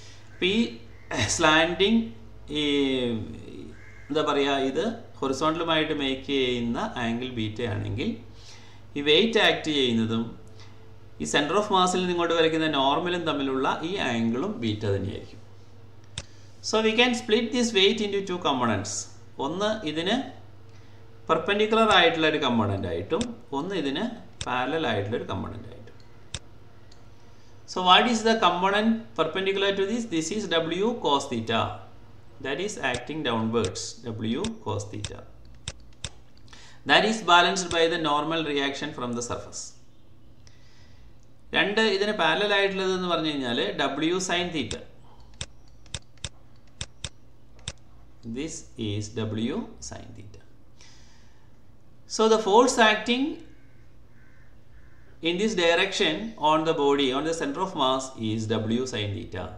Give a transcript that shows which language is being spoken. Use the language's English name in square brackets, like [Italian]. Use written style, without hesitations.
[Malayalam] അപ്പം ഈ സ്ലാൻഡിങ് ഈ എന്താ പറയുക, ഇത് ഹൊറിസോണ്ടലുമായിട്ട് മേക്ക് ചെയ്യുന്ന ആംഗിൾ ബീറ്റ ആണെങ്കിൽ, ഈ വെയ്റ്റ് ആക്ട് ചെയ്യുന്നതും ഈ സെൻറ്റർ ഓഫ് മാസിൽ നിന്നിങ്ങോട്ട് വരയ്ക്കുന്ന നോർമലും തമ്മിലുള്ള ഈ ആംഗിളും ബീറ്റ തന്നെയായിരിക്കും. [English] So we can split this weight into 2 components. [Malayalam] ഒന്ന് ഇതിന് perpendicular ആയിട്ടുള്ള ഒരു കമ്പോണന്റ് ആയിട്ടും ഒന്ന് ഇതിന് parallel ആയിട്ടുള്ള ഒരു കമ്പോണന്റ് ആയിട്ടും. [English] So what is the component perpendicular to this? This is W cos theta. That is acting downwards. W cos theta. That is balanced by the normal reaction from the surface. [Malayalam] രണ്ട് ഇതിന് parallel ആയിട്ടുള്ളത് എന്ന് പറഞ്ഞു കഴിഞ്ഞാൽ W sine theta. [English] This is W sine theta. So the force acting in this direction on the body on the centre of mass is W sine theta.